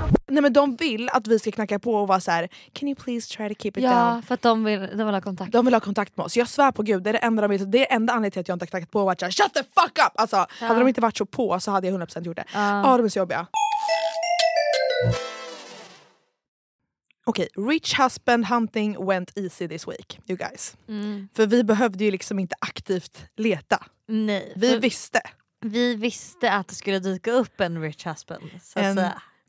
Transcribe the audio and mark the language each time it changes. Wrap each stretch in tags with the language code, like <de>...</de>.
<sv>Nej, men de vill att vi ska knacka på och vara så här,</sv> <en>can you please try to keep it,</en> <sv>ja,</sv> <en>down?</en> <sv>Ja, för att de vill ha kontakt. De vill ha kontakt med oss. Jag svär på gud, det är enda anledningen till att jag inte har knackat på och varit så här,</sv> <en>shut the fuck up!</en> <sv>Alltså, ja, hade de inte varit så på så hade jag 100% gjort det. Ja, de är så jobbiga.</sv> <en>Okej, rich husband hunting went easy this week, you guys. Mm.</en> <sv>För vi behövde ju liksom inte aktivt leta. Nej. Vi visste att det skulle dyka upp en rich husband, så att säga.</sv>